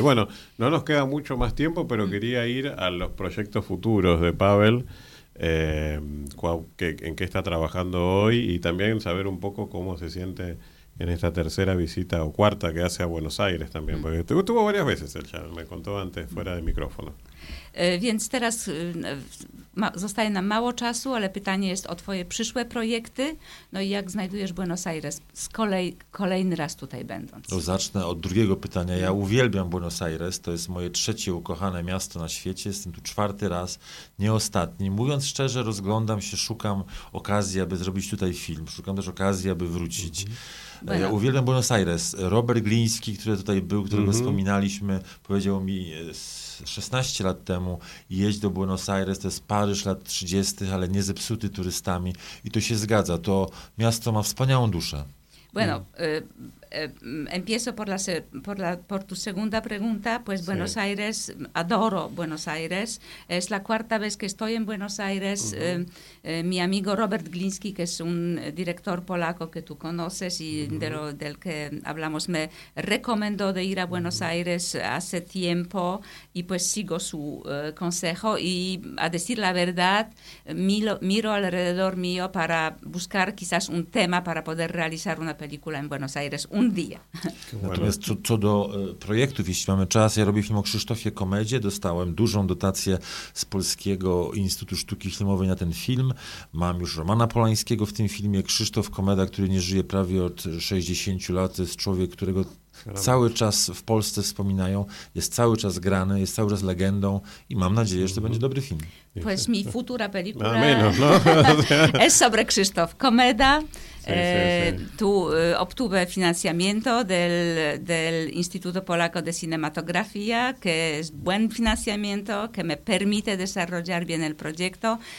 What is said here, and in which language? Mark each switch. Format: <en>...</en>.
<es>Bueno, no nos queda mucho más tiempo, pero quería ir a los proyectos futuros de Pavel, en qué está trabajando hoy y también saber un poco cómo se siente en esta tercera visita o cuarta que hace a Buenos Aires también, porque estuvo varias veces el chat, me contó antes fuera de micrófono.</es> <pl>Więc teraz zostaje nam mało czasu, ale pytanie jest o twoje przyszłe projekty. No i jak znajdujesz Buenos Aires z kolejny raz tutaj będąc? To zacznę od drugiego pytania. Ja uwielbiam Buenos Aires, to jest moje trzecie ukochane miasto na świecie. Jestem tu czwarty raz, nie ostatni. Mówiąc szczerze, rozglądam się, szukam okazji, aby zrobić tutaj film. Szukam też okazji, aby wrócić. Ja uwielbiam Buenos Aires. Robert Gliński, który tutaj był, którego wspominaliśmy, powiedział mi 16 lat temu, jeźdź do Buenos Aires, to jest Paryż lat 30., ale nie zepsuty turystami. I to się zgadza. To miasto ma wspaniałą duszę.</pl> <es>Bueno, empiezo por tu segunda pregunta, pues Buenos Aires, adoro Buenos Aires, es la cuarta vez que estoy en Buenos Aires, mi amigo Robert Gliński, que es un director polaco que tú conoces y del que hablamos, me recomendó de ir a Buenos Aires hace tiempo y pues sigo su consejo y a decir la verdad, miro alrededor mío para buscar quizás un tema para poder realizar una película en Buenos Aires. Un día.</es> <pl>Natomiast co do projektów, jeśli mamy czas, ja robię film o Krzysztofie Komedzie, dostałem dużą dotację z Polskiego Instytutu Sztuki Filmowej na ten film. Mam już Romana Polańskiego w tym filmie, Krzysztof Komeda, który nie żyje prawie od 60 lat, jest człowiek, którego cały czas w Polsce wspominają, jest cały czas grany, jest cały czas legendą i mam nadzieję, że to będzie dobry film.</pl> <es>Pues mi futura película no. es sobre Krzysztof Komeda. Tu obtuve financiamiento del Instituto Polaco de Cinematografía, que es buen financiamiento, que me permite desarrollar bien el proyecto.</es>